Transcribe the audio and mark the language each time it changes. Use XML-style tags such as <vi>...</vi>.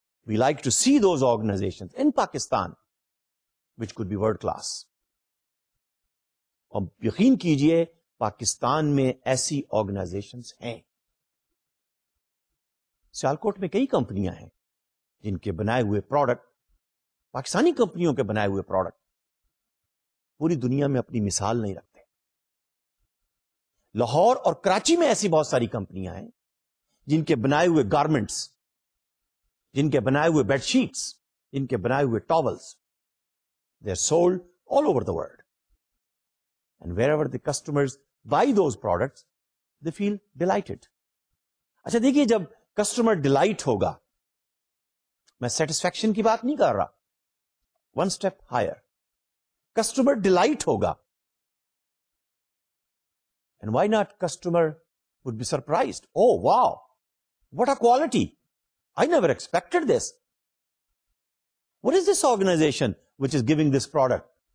<en>We like to see those organizations in Pakistan which could be world class.</en> <ur>اب یقین کیجئے پاکستان میں ایسی organizations ہیں. سیالکوٹ میں کئی کمپنیاں ہیں جن کے بنائے ہوئے پروڈکٹ, پاکستانی کمپنیوں کے بنائے ہوئے پروڈکٹ پوری دنیا میں اپنی مثال نہیں رکھتے. لاہور اور کراچی میں ایسی بہت ساری کمپنیاں ہیں جن کے بنائے ہوئے گارمنٹس, جن کے بنائے ہوئے بیڈ شیٹس, جن کے بنائے ہوئے ٹاولز,</ur> <en>They are sold all over the world and wherever the customers buy those products they feel delighted.</en> <ur>اچھا دیکھیے, جب کسٹمر ڈیلائٹ ہوگا, میں سیٹسفیکشن کی بات نہیں کر رہا,</ur> <en>One step higher, customer delight ہوگا and why not customer would be surprised, oh wow, what a quality, I never expected this. What is this organization which is giving this product?</en>